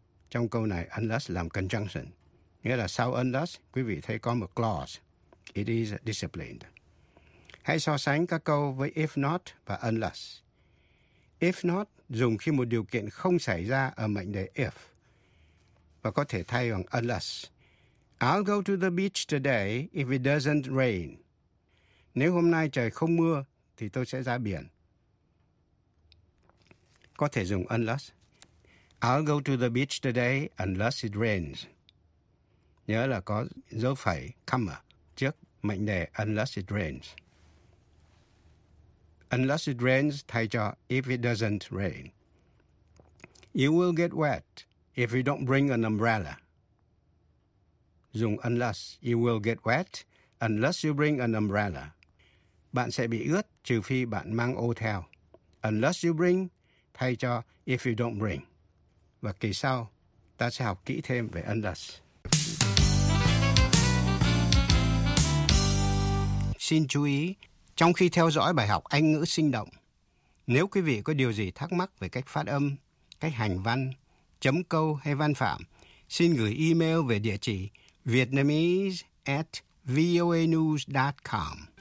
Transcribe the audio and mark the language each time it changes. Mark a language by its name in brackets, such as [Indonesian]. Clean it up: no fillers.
[Vietnamese] Trong câu này, unless làm conjunction. Nghĩa là sau unless, quý vị thấy có một clause. [English] It is disciplined. [Vietnamese] Hãy so sánh các câu với if not và unless. If not dùng khi một điều kiện không xảy ra ở mệnh đề if. Và có thể thay bằng unless. [English] I'll go to the beach today if it doesn't rain. [Vietnamese] Nếu hôm nay trời không mưa, thì tôi sẽ ra biển. Có thể dùng unless. [English] I'll go to the beach today unless it rains. [Vietnamese] Nhớ là có dấu phẩy comma trước mệnh đề [English] unless it rains. Unless it rains [Vietnamese] thay cho [English] if it doesn't rain. You will get wet if you don't bring an umbrella. Dùng unless, you will get wet unless you bring an umbrella. [Vietnamese] Bạn sẽ bị ướt trừ phi bạn mang ô theo. [English] unless you bring, [Vietnamese] thay cho [English] if you don't bring. [Vietnamese] Và kỳ sau, ta sẽ học kỹ thêm về unless. Xin chú ý, trong khi theo dõi bài học Anh ngữ sinh động, nếu quý vị có điều gì thắc mắc về cách phát âm, cách hành văn, chấm câu hay văn phạm, xin gửi email về địa chỉ vietnamese@voanews.com.